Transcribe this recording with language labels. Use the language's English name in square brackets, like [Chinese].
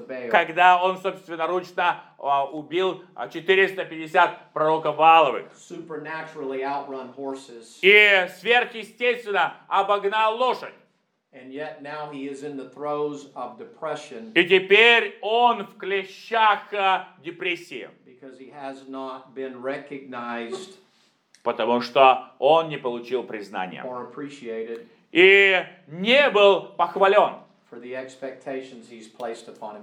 [Russian] Когда он собственноручно убил 450 пророков Бааловых. [English] Supernaturally outrun horses. [Russian] И сверхъестественно обогнал лошадь. [English] And yet now he is in the throes of depression. [Russian] И теперь он в клещах депрессии. [English] Because he has not been recognized. [Russian] Потому что он не получил признания. [English] Or appreciated. [Russian] И не был похвален. [English] For the expectations he's placed upon him.